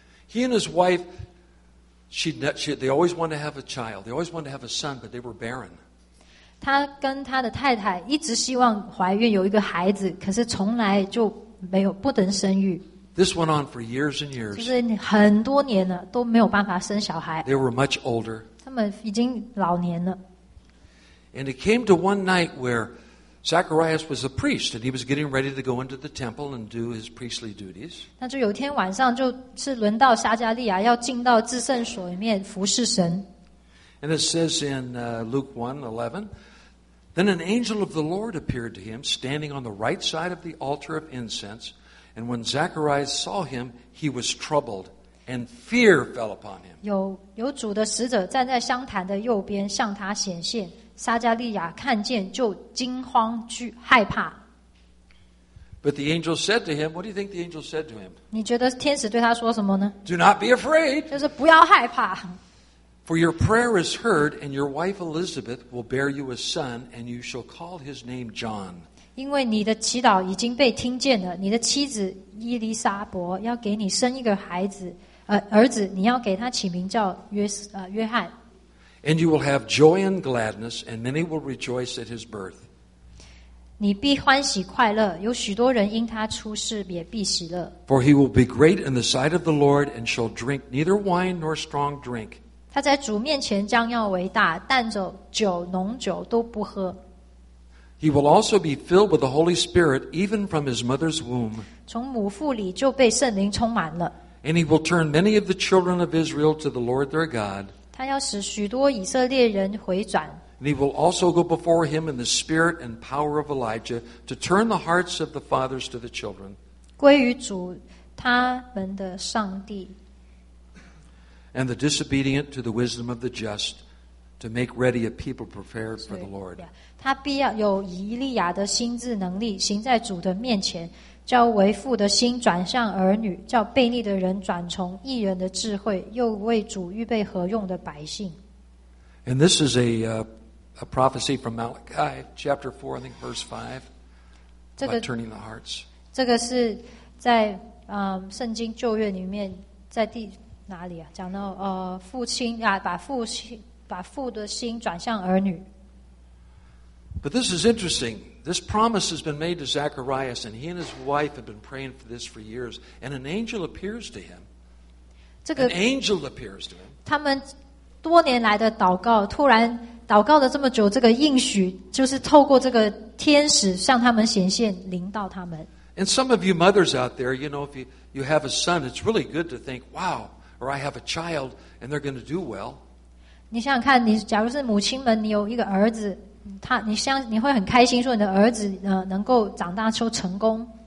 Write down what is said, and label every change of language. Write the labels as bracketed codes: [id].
[en] He and his wife, they always wanted to have a child. They always wanted to have a son, but they were barren. [zh] 他跟他的太太一直希望怀孕有一个孩子，可是从来就没有不能生育。 [en] This went on for years and years. [zh] 就是很多年了都没有办法生小孩。 [en] They were much older. [zh] 他们已经老年了。 [en] And it came to one night where Zacharias was a priest and he was getting ready to go into the temple and do his priestly duties. [zh] 那就有一天晚上就是轮到撒加利亚要进到至圣所里面服侍神。 [en] And it says in Luke 1:11, Then an angel of the Lord appeared to him, standing on the right side of the altar of incense. And when Zacharias saw him, he was troubled, and fear fell upon him. [zh] 有主的使者站在香坛的右边向他显现。撒加利亚看见就惊慌害怕。 [en] But the angel said to him, what do you think the angel said to him? [zh] 你觉得天使对他说什么呢? [en] Do not be afraid. [zh] 就是不要害怕。 [en] For your prayer is heard, and your wife Elizabeth will bear you a son, and you shall call his name John. [zh] 因为你的祈祷已经被听见了，你的妻子伊丽莎伯要给你生一个孩子，儿子，你要给他起名叫约翰。 [en] And you will have joy and gladness, and many will rejoice at his birth. [zh] 你必欢喜快乐，有许多人因他出世也必喜乐。 [en] For he will be great in the sight of the Lord and shall drink neither wine nor strong drink. [zh] 他在主面前将要为大，但酒浓酒都不喝。 [en] He will also be filled with the Holy Spirit even from his mother's womb. [zh] 从母腹里就被圣灵充满了。 [en] And he will turn many of the children of Israel to the Lord their God. [zh] 他要使许多以色列人回转。 [en] And he will also go before him in the spirit and power of Elijah to turn the hearts of the fathers to the children. [zh] 归于主他们的上帝。 [en] And the disobedient to the wisdom of the just to make ready a people prepared for the Lord. [zh] 他必要有以利亚的心智能力行在主的面前。叫为父的心转向儿女，叫悖逆的人转从义人的智慧，又为主预备何用的百姓。 [en] And this is a prophecy from Malachi chapter 4, I think verse 5, about turning the hearts. [zh] 这个是在圣经旧约里面，在第哪里啊？讲到父亲啊，把父的心转向儿女。 [en] But this is interesting. This promise has been made to Zacharias, and he and his wife have been praying for this for years. And an angel appears to him. An angel appears to him. [zh] 他们多年来的祷告，突然祷告了这么久，这个应许就是透过这个天使向他们显现，临到他们。 [en] And some of you mothers out there, you know, if you have a son, it's really good to think, wow, or I have a child, and they're going to do well. [zh] 你想想看，你假如是母亲们，你有一个儿子。你会很开心说你的儿子能够长大出成功。